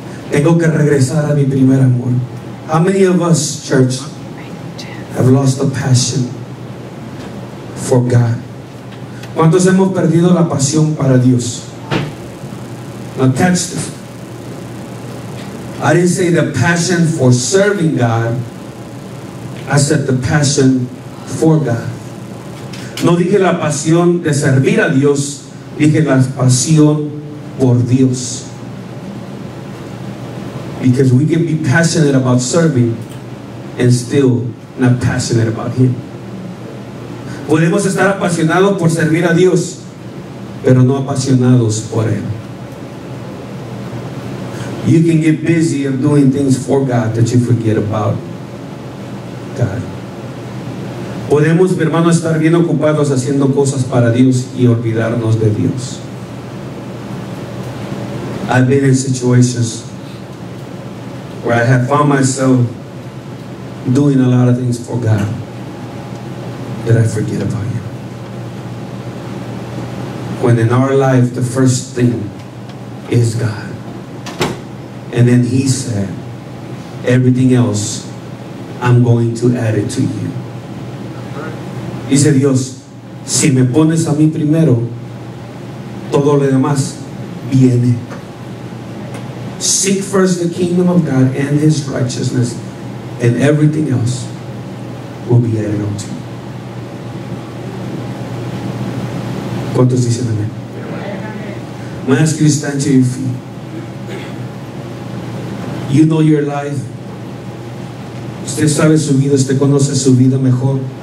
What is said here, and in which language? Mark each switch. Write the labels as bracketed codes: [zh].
[es] Tengo que regresar a mi primer amor. [en] How many of us, church, have lost the passion for God? [es] ¿Cuántos hemos perdido la pasión para Dios? [en] Now catch this. I didn't say the passion for serving God. accept the passion for God. [es] No dije la pasión de servir a Dios, dije la pasión por Dios. [en] Because we can be passionate about serving and still not passionate about Him. [es] Podemos estar apasionados por servir a Dios, pero no apasionados por Él. [en] You can get busy of doing things for God that you forget about God. [es] Podemos, hermanos, estar bien ocupados haciendo cosas para Dios y olvidarnos de Dios. [en] I've been in situations where I have found myself doing a lot of things for God that I forget about Him. When in our life the first thing is God. And then He said, everything else I'm going to add it to you. [es] Dice Dios, si me pones a mí primero, todo lo demás viene. [en] Seek first the kingdom of God and His righteousness, and everything else will be added unto you. [es] ¿Cuántos dicen amén? [en] May I ask you to stand to your feet? You know your life. [es] Usted sabe su vida, usted conoce su vida mejor.